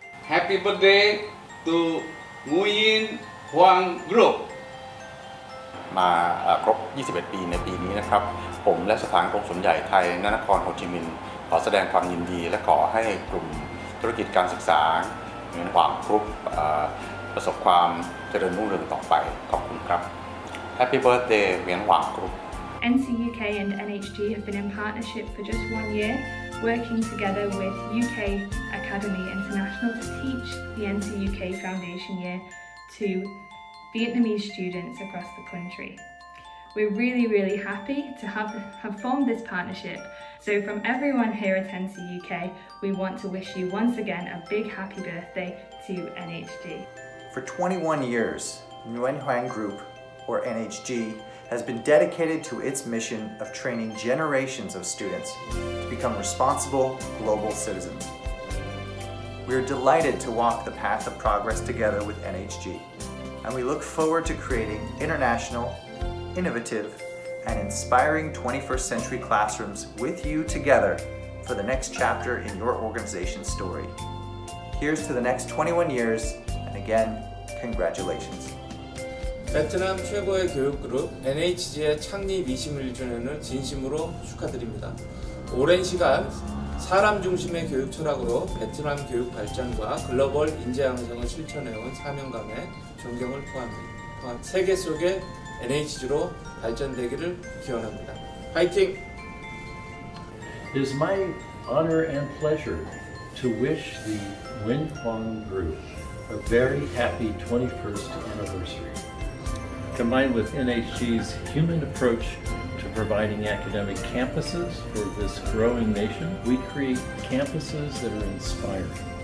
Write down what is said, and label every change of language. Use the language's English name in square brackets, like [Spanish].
[English] Happy birthday to Nguyen Hoang Group. [Thai] มาครบ21ปีในปีนี้นะครับผมและสถานกงสุลใหญ่ไทยณ นครโฮจิมินห์ขอแสดงความยินดีและขอให้กลุ่มธุรกิจการศึกษาเงินหวังครุปประสบความเจริญรุ่งเรืองต่อไปขอบคุณครับ [English] Happy birthday [Thai] เงินหวังครุป [English] NCUK and NHG have been in partnership for just 1 year working together with UK Academy International to teach the NCUK Foundation year to Vietnamese students across the country. We're really, really happy to have formed this partnership. So from everyone here at NCUK, we want to wish you once again a big happy birthday to NHG. For 21 years, Nguyen Hoang Group, or NHG, has been dedicated to its mission of training generations of students to become responsible global citizens. We are delighted to walk the path of progress together with NHG, and we look forward to creating international, innovative and inspiring 21st century classrooms with you together for the next chapter in your organization's story. Here's to the next 21 years, and again, congratulations. [Korean] 베트남 최고의 교육 그룹 NHG의 창립 21주년을 진심으로 축하드립니다. 오랜 시간 사람 중심의 교육 철학으로 베트남 교육 발전과 글로벌 인재 양성을 실천해온 사명감에 존경을 표합니다. 세계 속에 NHG로 발전되기를 기원합니다. 파이팅! [English] It is my honor and pleasure to wish the Nguyen Hoang Group a very happy 21st anniversary. Combined with NHG's human approach to providing academic campuses for this growing nation, we create campuses that are inspiring.